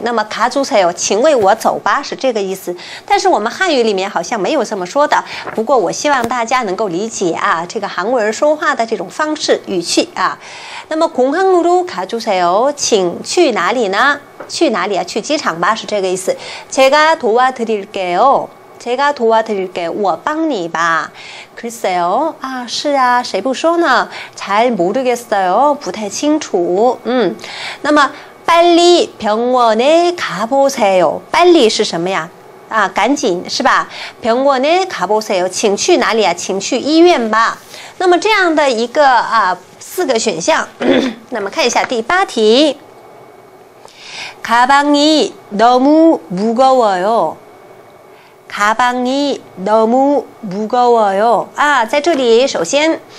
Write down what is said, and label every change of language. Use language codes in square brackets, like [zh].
[zh] 那么가주세요, 请为我走吧, 是这个意思。但是我们汉语里面好像没有这么说的, 不过我希望大家能够理解啊, 这个韩国人说话的这种方式, 语气啊。那么 [ko] 공항으로 가주세요, [zh] 请去哪里呢? 去哪里啊?去机场吧, 是这个意思。 [ko] 제가 도와드릴게요, 제가 도와드릴게요, [zh] 我帮你吧。 [ko] 글쎄요, [zh] 아, 是啊, 谁不说呢? [ko] 잘 모르겠어요, [zh] 不太清楚。那么 [ko] 빨리 병원에 가보세요, [zh] 빨리是什么呀? 啊，赶紧是吧？ [ko] 병원에가보세요， [zh] 请去哪里啊？请去医院吧。那么这样的一个啊四个选项，那么看一下第八题。 [ko] 가방이너무무거워요가방이너무무거워요啊， [zh] 在这里首先。